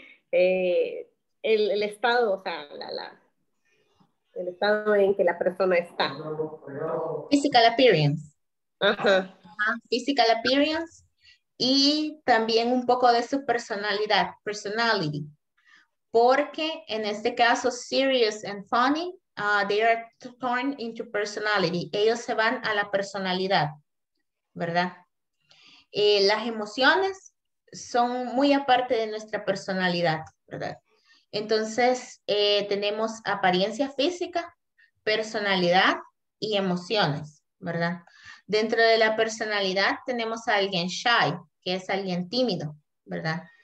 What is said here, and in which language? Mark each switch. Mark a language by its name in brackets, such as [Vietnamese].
[Spanish] el estado, o sea, el estado en que la persona está. [English] Physical appearance. Ajá. Physical appearance [Spanish] y también un poco de su personalidad, personality. Porque en este caso, [English] serious and funny, they are turned into personality. [Spanish] Ellos se van a la personalidad, ¿verdad? Las emociones son muy aparte de nuestra personalidad, ¿verdad? Entonces, tenemos apariencia física, personalidad y emociones, ¿verdad? Dentro de la personalidad tenemos a alguien shy, que es alguien tímido, ¿verdad?